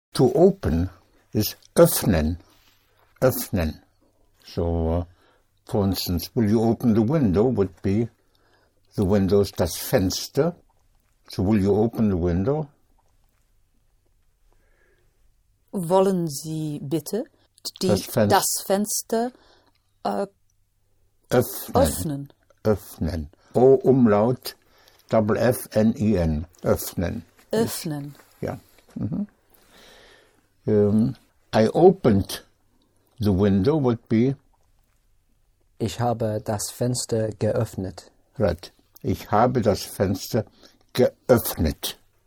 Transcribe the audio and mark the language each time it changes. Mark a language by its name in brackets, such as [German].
[English] to open is [German] öffnen, öffnen. [English] So, for instance, will you open the window would be, the window is [German] das Fenster. [English] So will you open the window? [German] Wollen Sie bitte das Fenster öffnen? [English] Öffnen. O Umlaut, double F-N-I-N, öffnen. [German] Öffnen. Ja. [English] I opened the window would be? [German] Ich habe das Fenster geöffnet. [English] Right. [German] Ich habe das Fenster geöffnet.